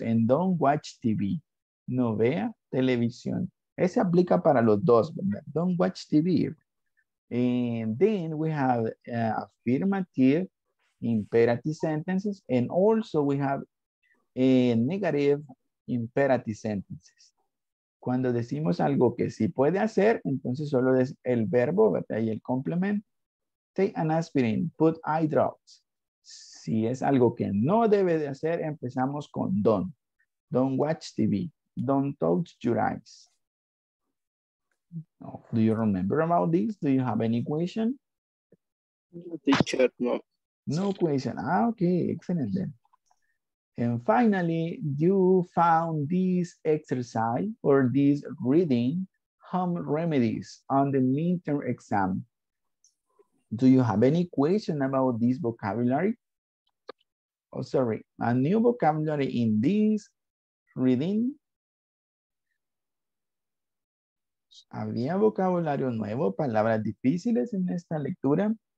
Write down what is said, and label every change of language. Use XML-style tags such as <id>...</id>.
<en>And don't watch TV. No vea televisión. Ese aplica para los dos, ¿verdad? Don't watch TV. And then we have affirmative imperative sentences. And also we have a negative imperative sentences.</en> <es>Cuando decimos algo que sí puede hacer, entonces solo es el verbo, ¿verdad? Y el complemento. Take an aspirin. Put eye drops. Si es algo que no debe de hacer, empezamos con don't.</es> <en>Don't watch TV. Don't touch your eyes. No. Do you remember about this? Do you have any question? Teacher, no. No question. Ah, okay. Excellent then. And finally, you found this exercise or this reading, Home Remedies, on the midterm exam. Do you have any question about this vocabulary? Oh, sorry, a new vocabulary in this reading.</en> <es>¿Había vocabulario nuevo, palabras difíciles en esta lectura?</es>